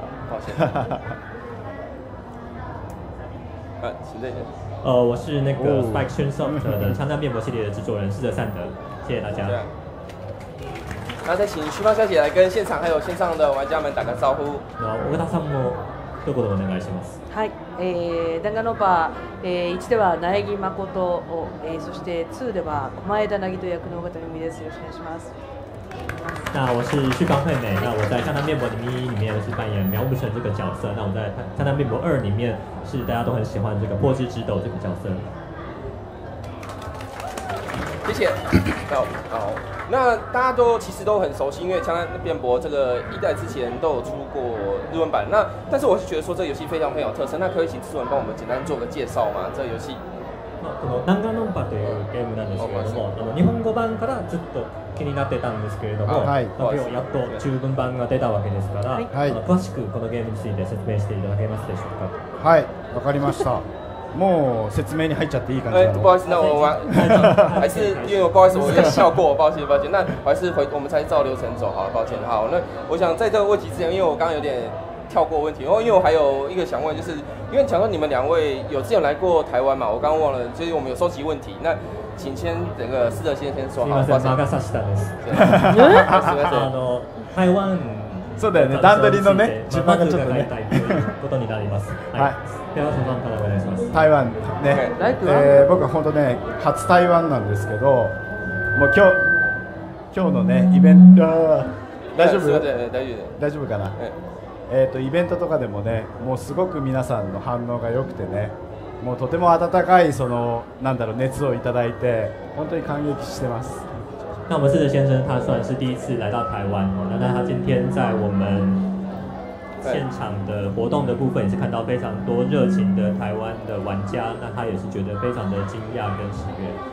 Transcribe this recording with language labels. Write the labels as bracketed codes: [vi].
[zh] 抱歉。啊，请这边。我是那个 Spike Chunsoft 的枪弹变魔系列的制作人施泽善德，谢谢大家。那再请旭芳小姐来跟现场还有线上的玩家们打个招呼。那我跟他上播。 [ja] どこでお願いします。はい、ダンガノーパー、1では苗木誠を、そして2では駒枝凪という役の尾形由美です。よろしくお願いします。 [zh] 那我是旭芳惠美，那我在《枪弹变魔》里面是扮演苗木成这个角色，那我在《枪弹变魔2》里面是大家都很喜欢这个破之指斗这个角色。谢谢。好，那大家都其实都很熟悉，因为《枪弹变魔》这个一代之前都有出过日文版。那但是我是觉得说这个游戏非常非常有特色，那可以请制作人帮我们简单做个介绍吗？这个游戏？ [ja] この弾丸論破というゲームなんですけれども、あの日本語版からずっと気になってたんですけれども、はい、今日やっと中文版が出たわけですから、はい、詳しくこのゲームについて説明していただけますでしょうか。はい、わかりました。もう説明に入っちゃっていい感じ [zh] だ。不好意思、那我还是因为不好意思，我先笑过，抱歉抱歉。那还是回我们才照流程走，好，抱歉。好，那我想在这个问题之前，因为我刚刚有点。跳过问题，因为我还有一个想问，就是因为讲说你们两位有之前来过台湾嘛，我刚忘了，就是我们有收集问题，那请先整个试着先说 [ja] 好。すいません、任させたんです。すいません。台湾。そうだよね、段取りのね、順番がちょっとね。ことになります。はい。ではそのままからお願いします。台湾ね。ライクは？僕は本当ね、初台湾なんですけど、もう今日のね、イベント。大丈夫？大丈夫かな？イベントとかでもね、もうすごく皆さんの反応が良くてね、もうとても温かいそのなんだろう熱をいただいて、本当に感激してます。 [zh] 那我们四德先生他算是第一次来到台湾哦，那他今天在我们现场的活动的部分也是看到非常多热情的台湾的玩家，那他也是觉得非常的惊讶跟喜悦。